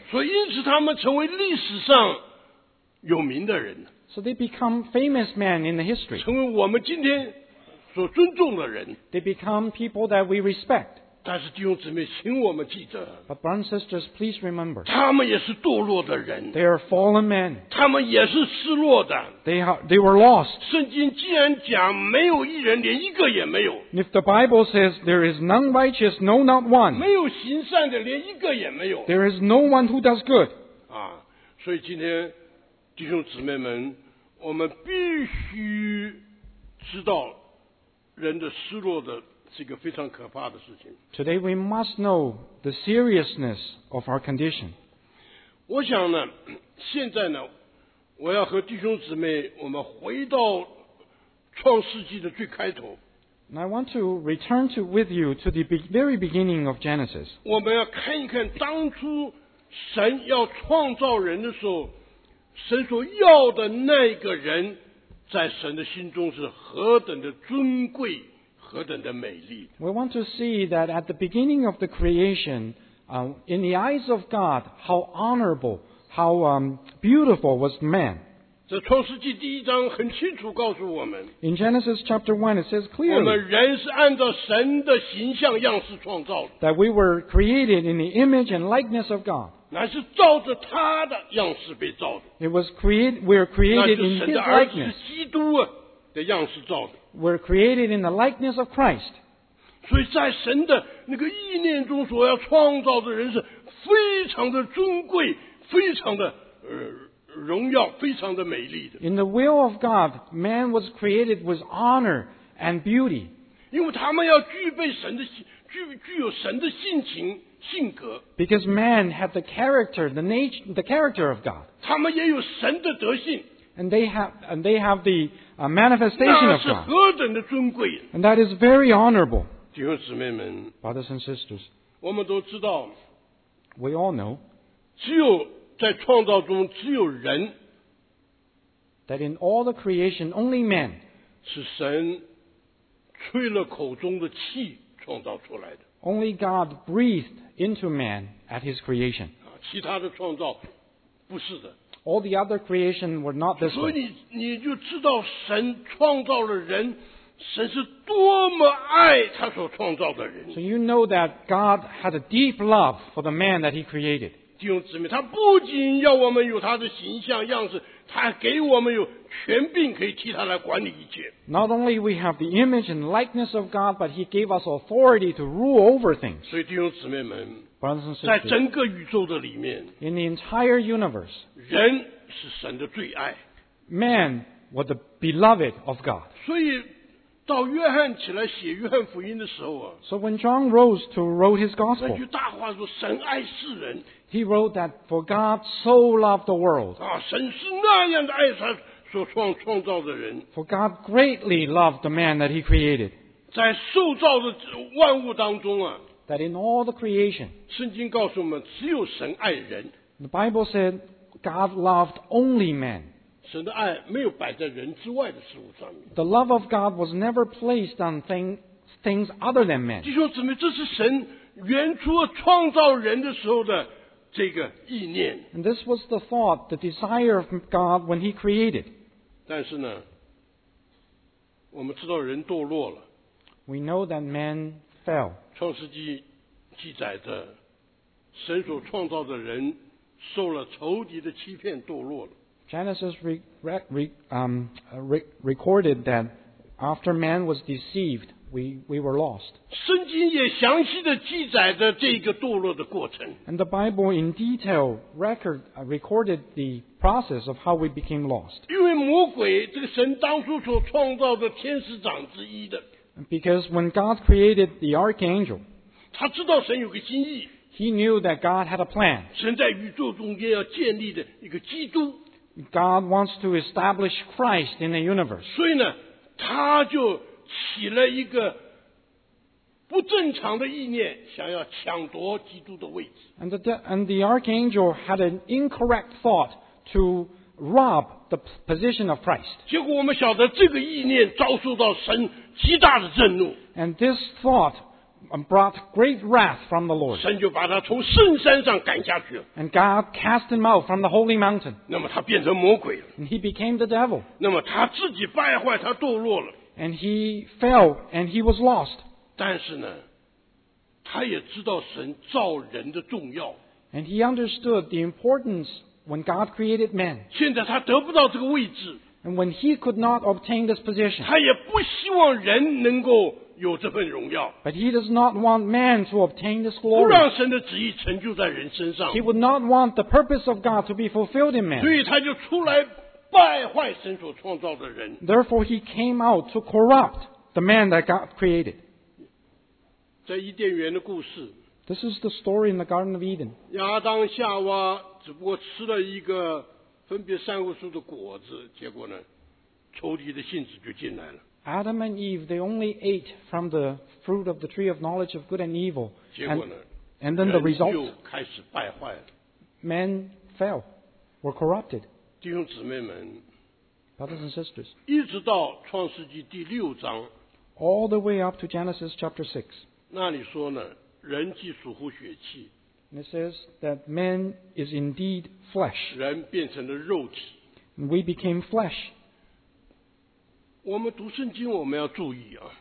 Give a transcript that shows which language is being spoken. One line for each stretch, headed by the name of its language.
Chinese: 所以因此他们成为历史上有名的人。
English: So they become famous men in the history.
Chinese: 成为我们今天所尊重的人。
English: They become people that we respect.
Chinese: 但是弟兄姊妹，请我们记得。
English: But brothers and sisters, please remember.
Chinese: 他们也是堕落的人。
English: They are fallen men.
Chinese: 他们也是失落的。
English: They were lost.
Chinese: 圣经既然讲没有义人，连一个也没有。
English: If the Bible says there is none righteous, no, not one.
Chinese: 没有行善的，连一个也没有。
English: There is no one who does good.
Chinese: 啊，所以今天弟兄姊妹们，我们必须知道人的失落的是一个非常可怕的事情。
English: Today we must know the seriousness of our condition.
Chinese: 我想呢，现在呢，我要和弟兄姊妹，我们回到创世纪的最开头。
English: And I want to return to with you to the very beginning of Genesis.
Chinese: 我们要看一看当初神要创造人的时候，神所要的那个人在神的心中是何等的尊贵，何等的美丽。
English: We want to see that at the beginning of the creation, in the eyes of God, how honorable, how beautiful was man.
Chinese: 这创世纪第一章很清楚告诉我们。
English: In Genesis chapter 1, it says clearly,
Chinese: 我们人是按照神的形象样式创造的。
English: That we were created in the image and likeness of God.
Chinese: 乃是照着他的样式被造的。
English: It was created, we were created in his likeness.
Chinese: 那就是神的儿子基督的样式造的。
English: We're created in the likeness of Christ.
Chinese: 所以在神的那个意念中所要创造的人是非常的尊贵，非常的荣耀，非常的美丽的。
English: In the will of God, man was created with honor and beauty.
Chinese: 因为他们要具备神的具有神的性情。性格。
English: Because man had the character, the character of God.
Chinese: 他们也有神的德性。
English: And they have the manifestation of God.
Chinese: 那是何等的尊贵。
English: And that is very honorable.
Chinese: 弟兄姊妹们。
English: Brothers and sisters.
Chinese: 我们都知道。
English: We all know.
Chinese: 只有在创造中只有人。
English: That in all the creation, only man.
Chinese: 是神吹了口中的气创造出来的。
English: Only God breathed into man at his creation.
Chinese: 其他的创造不是的。
English: All the other creation were not this way.
Chinese: 所以你就知道神创造了人，神是多么爱他所创造的人。
English: So you know that God had a deep love for the man that he created.
Chinese: 弟兄姊妹，他不仅要我们有他的形象样式，他给我们有权柄可以替他来管理一切。
English: Not only we have the image and likeness of God, but He gave us authority to rule over things.
Chinese: 所以弟兄姊妹们，
English: Brothers and sisters,
Chinese: 在整个宇宙的里面，
English: In the entire universe,
Chinese: 人是神的最爱。
English: Man was the beloved of God.
Chinese: 所以到约翰起来写约翰福音的时候啊
English: ，So when John rose to write his gospel，
Chinese: 那句大话说神爱世人
English: ，He wrote that for God so loved the world。
Chinese: 啊，神是那样的爱他所创造的人
English: ，For God greatly loved the man that He created。
Chinese: 在受造的万物当中啊
English: ，That in all the creation，
Chinese: 圣经告诉我们只有神爱人
English: ，The Bible said God loved only man。
Chinese: 神的爱没有摆在人之外的事物上面。
English: The love of God was never placed on things other than man.
Chinese: 弟兄姊妹，这是神原初创造人的时候的这个意念。
English: And this was the thought, the desire of God when He created.
Chinese: 但是呢，我们知道人堕落了。
English: We know that man fell.
Chinese: 创世纪记载着，神所创造的人受了仇敌的欺骗，堕落了。
English: Genesis recorded that after man was deceived, we were lost.
Chinese: 圣经也详细地记载着这个堕落的过程。
English: And the Bible in detail recorded the process of how we became lost.
Chinese: 因为魔鬼，这个神当初所创造的天使长之一的。
English: Because when God created the archangel,
Chinese: 他知道神有个心意。
English: He knew that God had a plan.
Chinese: 神在宇宙中间要建立的一个基督。
English: God wants to establish Christ in the universe.
Chinese: 所以呢，他就起了一个不正常的意念，想要抢夺基督的位置。
English: And the archangel had an incorrect thought to rob the position of Christ.
Chinese: 结果我们晓得这个意念遭受到神极大的震怒。
English: And this thought brought great wrath from the Lord.
Chinese: 神就把他从圣山上赶下去了。
English: And God cast him out from the holy mountain.
Chinese: 那么他变成魔鬼了。
English: And he became the devil.
Chinese: 那么他自己败坏，他堕落了。
English: And he fell and he was lost.
Chinese: 但是呢，他也知道神造人的重要。
English: And he understood the importance when God created man.
Chinese: 现在他得不到这个位置。
English: And when he could not obtain this position.
Chinese: 他也不希望人能够有这份荣耀。
English: But he does not want man to obtain this glory.
Chinese: 不让神的旨意成就在人身上。
English: He would not want the purpose of God to be fulfilled in man.
Chinese: 所以他就出来败坏神所创造的人。
English: Therefore he came out to corrupt the man that God created.
Chinese: 在伊甸园的故事。
English: This is the story in the Garden of Eden.
Chinese: 亚当夏娃只不过吃了一个分别善恶树的果子，结果呢，仇敌的性质就进来了。
English: Adam and Eve, they only ate from the fruit of the tree of knowledge of good and evil.
Chinese: 结果呢,
English: and then the result,
Chinese: 人就开始败坏了。
English: Men fell, were corrupted.
Chinese: 弟兄姊妹们,
English: brothers and sisters,
Chinese: 一直到创世纪第六章,
English: all the way up to Genesis chapter 6,
Chinese: 那里说呢, 人既属乎血气,
English: and it says that man is indeed flesh.
Chinese: 人变成了肉体,
English: and we became flesh.
Chinese: 我们读圣经，我们要注意啊。